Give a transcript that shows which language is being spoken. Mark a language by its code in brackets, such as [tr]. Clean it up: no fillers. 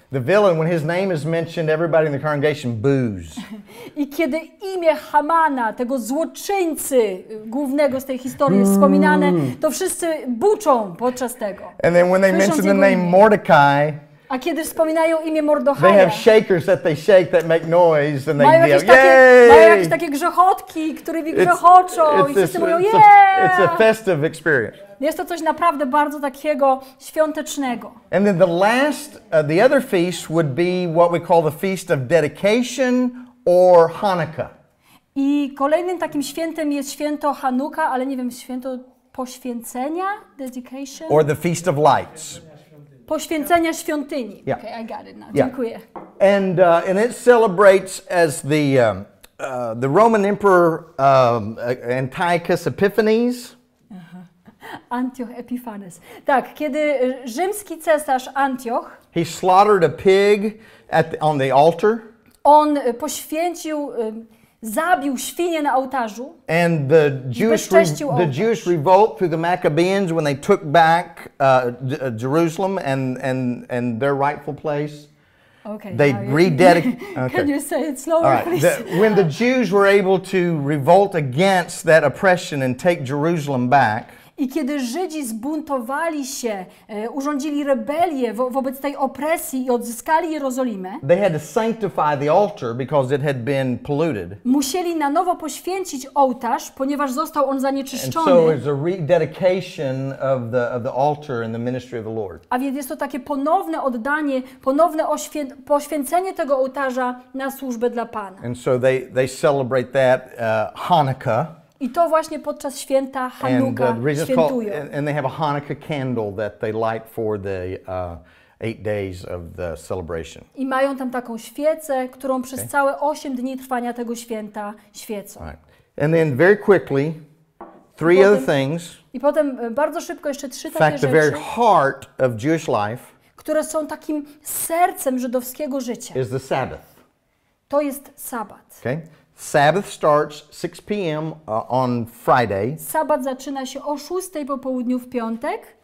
[en] The villain, when his name is mentioned, everybody in the congregation boos. [pl] I kiedy imię Hamana, tego złoczyńcy głównego z tej historii jest wspominane, to wszyscy buczą podczas tego. [en] And then when they mention the name Mordecai, [pl] a kiedy wspominają imię Mordochaja, [en] they have shakers that they shake that make noise and they [pl] mają [en] yell, [pl] takie, yay! Mają jakieś takie grzechotki, którymi grzechoczą i wszyscy mówią, yeah! [en] It's a festive experience. [pl] Jest to coś naprawdę bardzo takiego świątecznego. [en] And then the last, the other feast would be what we call the feast of dedication or Hanukkah. [pl] I kolejnym takim świętem jest święto Hanukkah, ale nie wiem, święto poświęcenia, dedication. [en] Or the feast of lights. [pl] Poświęcenia świątyni. [en] Yeah. Okay, I got it now. Yeah. Dziękuję. And it celebrates as the Roman Emperor Antiochus Epiphanes. [pl] Antioch Epiphanes. Tak, kiedy rzymski cesarz Antioch. [en] He slaughtered a pig on the altar. [pl] On poświęcił, zabił świnię na ołtarzu. [en] And the Jewish revolt through the Maccabeans when they took back Jerusalem and their rightful place. Okay. They rededicated. Okay. Can you say it slower, right. please? When the Jews were able to revolt against that oppression and take Jerusalem back. [pl] I kiedy Żydzi zbuntowali się, urządzili rebelię wobec tej opresji i odzyskali Jerozolimę, [en] they had to sanctify the altar because it had been polluted. [pl] Musieli na nowo poświęcić ołtarz, ponieważ został on zanieczyszczony. [en] And so it's a rededication of the altar in the ministry of the Lord. [pl] A więc jest to takie ponowne oddanie, ponowne poświęcenie tego ołtarza na służbę dla Pana. [en] And so they celebrate that Hanukkah. [pl] I to właśnie podczas święta Chanukka świętują. [en] And they have a Hanukkah candle that they light for the 8 days of the celebration. [pl] I mają tam taką świecę, którą przez całe 8 dni trwania tego święta świecą. [en] Right. And then very quickly, three other things. [pl] I potem bardzo szybko jeszcze trzy takie [en] rzeczy. The very heart of Jewish life, [pl] które są takim sercem żydowskiego życia. [en] Is the Sabbath. [pl] To jest sabat. [en] Okay. Sabbath starts 6 p.m. On Friday. [pl] Sabbat zaczyna się o 6 po południu w piątek.